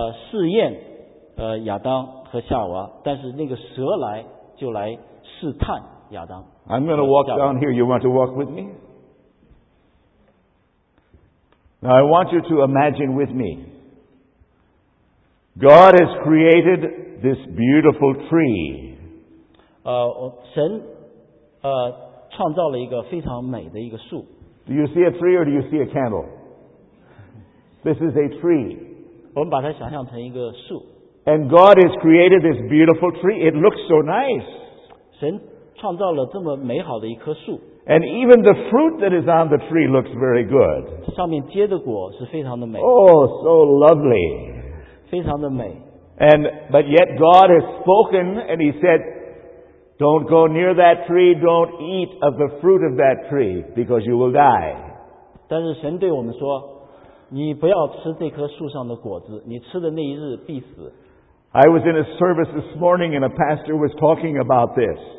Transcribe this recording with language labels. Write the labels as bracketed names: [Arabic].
[Chinese] 试验亚当和夏娃，但是那个蛇来就来试探亚当。 [English] I'm going to walk down here. You want to walk with me? Now I want you to imagine with me. God has created this beautiful tree. [Chinese] 神创造了一个非常美的一个树。 [English] Do you see a tree or do you see a candle? This is a tree. [Chinese] 我们把它想象成一个树。 [English] And God has created this beautiful tree. It looks so nice. [Chinese] 神创造了这么美好的一棵树。 [English] And even the fruit that is on the tree looks very good. [Chinese] 上面结的果是非常的美。 [English] Oh, so lovely. [Chinese] 非常的美。 [English] And, but yet God has spoken and he said, don't go near that tree, don't eat of the fruit of that tree, because you will die. [Chinese] 但是神对我们说，你不要吃这棵树上的果子，你吃的那一日必死。 [English] I was in a service this morning and a pastor was talking about this.